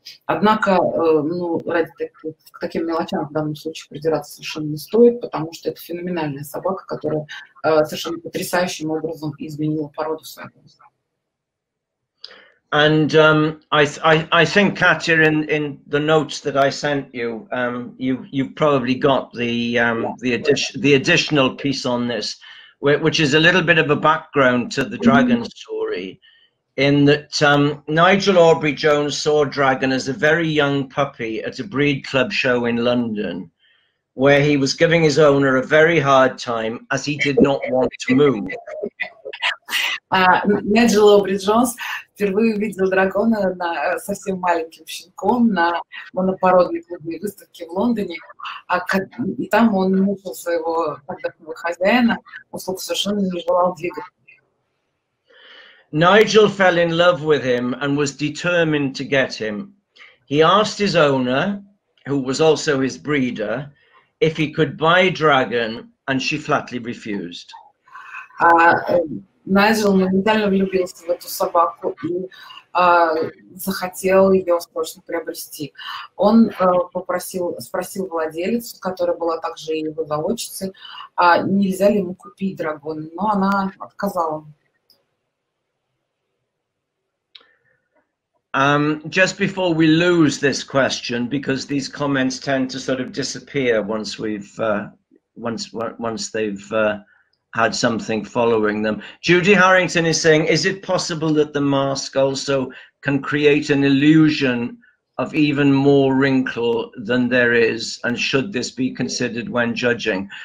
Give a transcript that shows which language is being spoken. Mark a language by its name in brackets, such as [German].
[Russian] Однако, ну, ради к таким мелочам в данном случае придираться совершенно не стоит, потому что это феноменальная собака, которая совершенно потрясающим образом изменила породу своего. [English] And I think, Katya, in the notes that I sent you, you probably got the additional piece on this, which is a little bit of a background to the dragon story, in that Nigel Aubrey Jones saw Dragon as a very young puppy at a breed club show in London, where he was giving his owner a very hard time as he did not want to move. [Russian] Nigel Aubrey Jones впервые увидел Дракона на совсем маленьким щенком на монопородной клубной выставке в Лондоне, и там он мучил своего тогдашнего хозяина, поскольку совершенно не желал двигаться. [English] Nigel fell in love with him and was determined to get him. He asked his owner, who was also his breeder, if he could buy Dragon, and she flatly refused. [Russian] Nigel моментально влюбился в эту собаку и захотел ее срочно приобрести. Он спросил владелицу, которая была также и его заводчицей, нельзя ли ему купить Dragon, но она отказала. [English] Just before we lose this question, because these comments tend to sort of disappear once we've once they've had something following them. Judy Harrington is saying, is it possible that the mask also can create an illusion of even more wrinkle than there is, and should this be considered when judging?